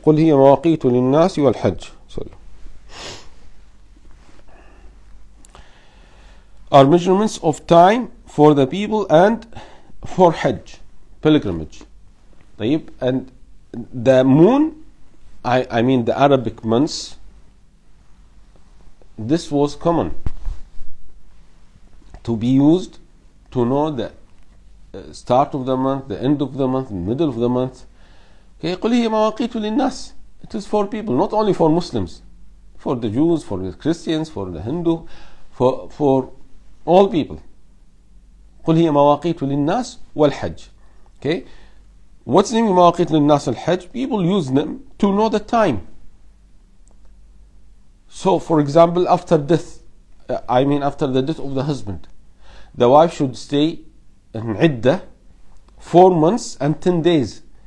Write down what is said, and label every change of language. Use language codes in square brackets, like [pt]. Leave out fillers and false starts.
[ar] قل هي مواقيت للناس والحج. [en] Are measurements of time for the people and for Hajj, pilgrimage. طيب, and the moon, I mean the Arabic months, this was common to be used to know the start of the month, the end of the month, middle of the month. [ar] Okay, قل هي مواقيت للناس. [en] It is for people, not only for Muslims, for the Jews, for the Christians, for the Hindu, for all people. [ar] قل هي مواقيت للناس والحج. [en] Okay, what's the name [ar] مواقيت للناس والحج? [en] People use them to know the time. So, for example, after death, after the death of the husband, the wife should stay in عدّة 4 months and 10 days.